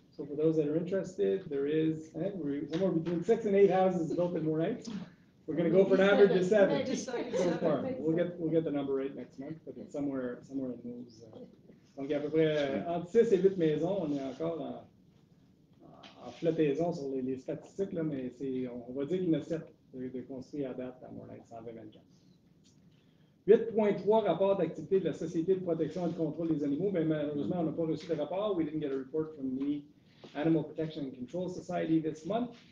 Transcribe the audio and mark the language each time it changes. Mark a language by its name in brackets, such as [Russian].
[English] So for those that are interested, there is, somewhere between 6 and 8 houses built in more nights. We're going to go for an average of 7. So far, we'll get the number right next month, but it's somewhere in those. [French] Donc il y a à peu près entre 6 et 8 maisons, on est encore en flottaison sur les statistiques, là, mais on va dire qu'il y en a 7 de construits à date à more nights en 2024. 8.3, rapport d'activité de la Société de protection et de contrôle des animaux. Mais malheureusement, on n'a pas reçu de rapport. [English] We didn't get a report from the Animal Protection and Control Society this month.